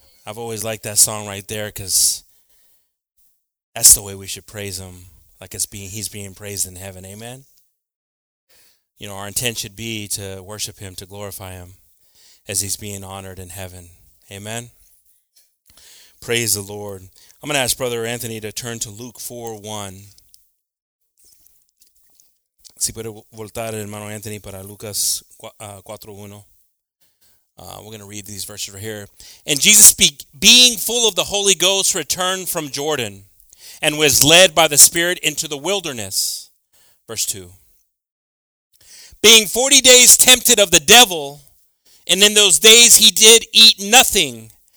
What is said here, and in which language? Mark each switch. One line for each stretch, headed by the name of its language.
English: I've always liked that song right there, because that's the way we should praise Him, like He's being praised in heaven. Amen. You know, our intent should be to worship Him, to glorify Him, as He's being honored in heaven. Amen. Praise the Lord. I'm going to ask Brother Anthony to turn to Luke 4:1.
Spanish: Si puede voltar el hermano Anthony para Lucas 4:1.
English: We're going to read these verses right here. And Jesus, being full of the Holy Ghost, returned from Jordan and was led by the Spirit into the wilderness. Verse 2. Being 40 days tempted of the devil, and in those days he did eat nothing.